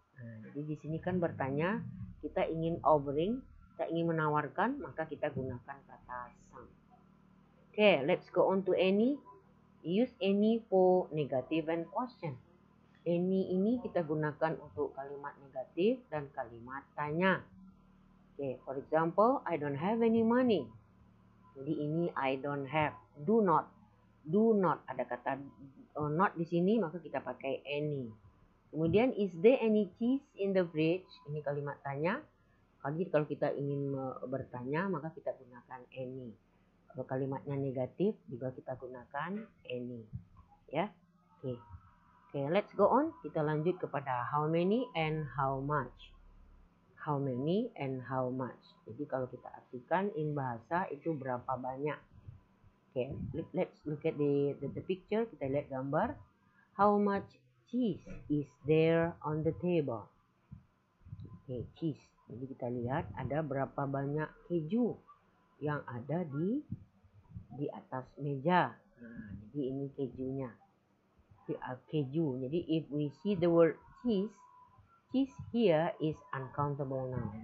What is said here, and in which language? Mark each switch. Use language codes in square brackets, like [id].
[id] Nah, jadi di sini kan bertanya, kita ingin offering, kita ingin menawarkan, maka kita gunakan kata some. [en] Oke, okay, let's go on to any. Use any for negative and question. [id] Any ini kita gunakan untuk kalimat negatif dan kalimat tanya. [en] Oke, okay, for example, I don't have any money. [id] Jadi ini [en] I don't have, do not. [id] Do not, ada kata not di sini, maka kita pakai any. [en] Kemudian, is there any cheese in the fridge? [id] Ini kalimat tanya. Jadi kalau kita ingin bertanya, maka kita gunakan any. Kalau kalimatnya negatif, juga kita gunakan any. Ya, oke. Okay. Oke, okay, [en] let's go on. [id] Kita lanjut kepada how many and how much. [en] How many and how much. [id] Jadi kalau kita artikan in bahasa itu berapa banyak. [en] Oke, okay, let's look at the picture. [id] Kita lihat gambar. [en] How much cheese is there on the table? Oke, okay, cheese. [id] Jadi kita lihat ada berapa banyak keju yang ada di atas meja. Nah, jadi ini kejunya. Keju. [en] Jadi if we see the word cheese, cheese here is uncountable noun.